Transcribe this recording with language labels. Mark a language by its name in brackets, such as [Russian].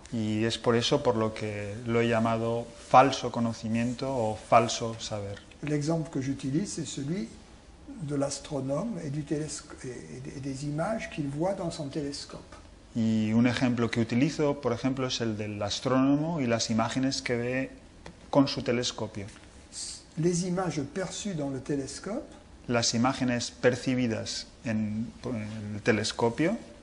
[Spanish] Y es por eso por lo que lo he llamado falso conocimiento o falso saber. [French] L'exemple que j'utilise c'est celui de l'astronome et du télescope et des images qu'il voit dans son télescope. [Spanish] Y un ejemplo que utilizo, por ejemplo, es el del astrónomo y las imágenes que ve con su telescopio. [French] Les images perçues dans le télescope. [Spanish] Las imágenes percibidas en el telescopio